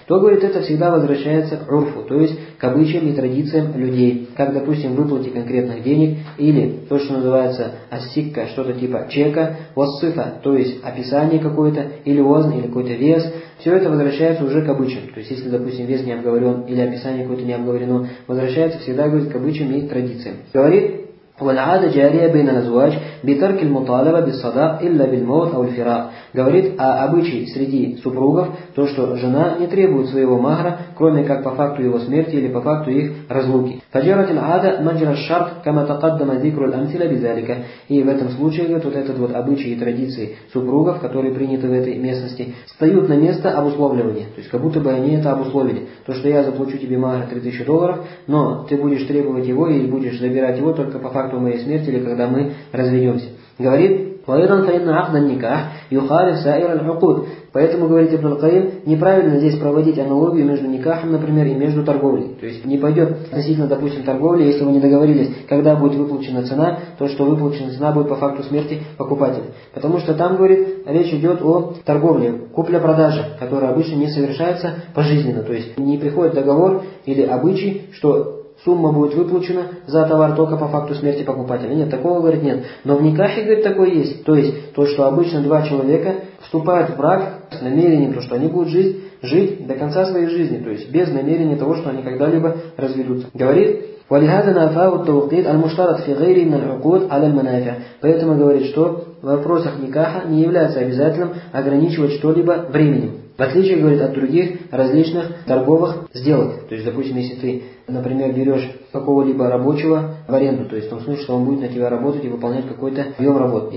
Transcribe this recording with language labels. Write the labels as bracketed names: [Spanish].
[Russian] Кто говорит это, всегда возвращается к урфу, то есть к обычаям и традициям людей, как, допустим, выплате конкретных денег или то, что называется ассикка, что-то типа чека, вассифа, то есть описание какое-то, или вазн, или какой-то вес. Все это возвращается уже к обычаям. То есть, если, допустим, вес не обговорен или описание какое-то не обговорено, возвращается всегда, говорит, к обычаям и традициям. Говорит, [Arabic] والعادة جارية بين الأزواج بترك المطالبة بالصداق إلا بالموت أو الفراق. [Russian] Говорит о обычае среди супругов, то, что жена не требует своего махра, кроме как по факту его смерти или по факту их разлуки. [Arabic] فجرت العادة مجرى الشرط كما تقدم ذكر الأمثلة بذلك. [Russian] И в этом случае вот этот вот обычай и традиции супругов, которые приняты в этой местности, встают на место обусловливания. То есть как будто бы они это обусловили. То, что я заплачу тебе махра $3000, но ты будешь требовать его и будешь забирать его только по факту моей смерти или когда мы разведемся. Говорит, поэтому [Arabic] فإن عقد النكاح يخالف سائر العقود. [Russian] Поэтому, говорит Ибн аль-Каим, неправильно здесь проводить аналогию между никахом, например, и между торговлей. То есть не пойдет относительно, допустим, торговли, если вы не договорились, когда будет выплачена цена, то, что выплачена цена, будет по факту смерти покупателя. Потому что там, говорит, речь идет о торговле, купля-продаже, которая обычно не совершается пожизненно. То есть не приходит договор или обычай, что сумма будет выплачена за товар только по факту смерти покупателя. Нет, такого, говорит, нет. Но в никахе, говорит, такое есть. То есть, то, что обычно два человека вступают в брак с намерением, то, что они будут жить до конца своей жизни. То есть, без намерения того, что они когда-либо разведутся. Говорит, [Arabic] وَلِهَذَا نَعْفَاهُ التَّوْقِيدْ أَلْمُشْتَرَتْ فِي غَيْرِ مِنَ الْعُقُودْ عَلَى الْمَنَافِعِ. [Russian] Поэтому, говорит, что в вопросах никаха не является обязательным ограничивать что-либо временем. В отличие, говорит, от других различных торговых сделок. То есть, допустим, если ты, например, берешь какого-либо рабочего в аренду, то есть в том смысле, что он будет на тебя работать и выполнять какой-то объем работы.